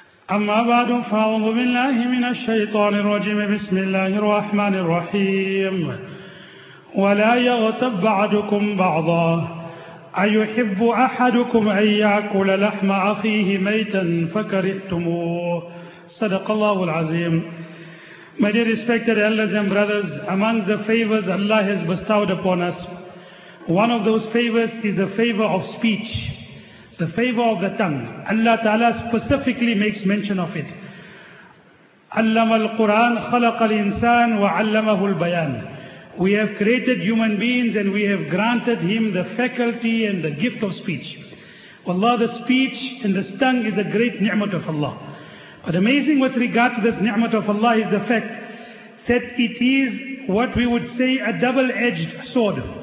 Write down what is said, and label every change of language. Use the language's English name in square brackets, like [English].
[Arabic] أما بعد فأعوذ بالله من الشيطان الرجيم بسم الله الرحمن الرحيم. ولا يغتب بعضكم بعضا أيحب أحدكم أن يأكل لحم أخيه ميتا فكرهتموه. صدق الله العظيم. [English] My dear respected elders and brothers, amongst the favors Allah has bestowed upon us, one of those favors is the favor of speech, the favor of the tongue. Allah Ta'ala specifically makes mention of it. [Arabic] علم القرآن خلق الإنسان وعلمه البيان. [English] We have created human beings and we have granted him the faculty and the gift of speech. Wallah, the speech and the tongue is a great ni'mat of Allah. But amazing with regard to this ni'mat of Allah is the fact that it is what we would say a double-edged sword.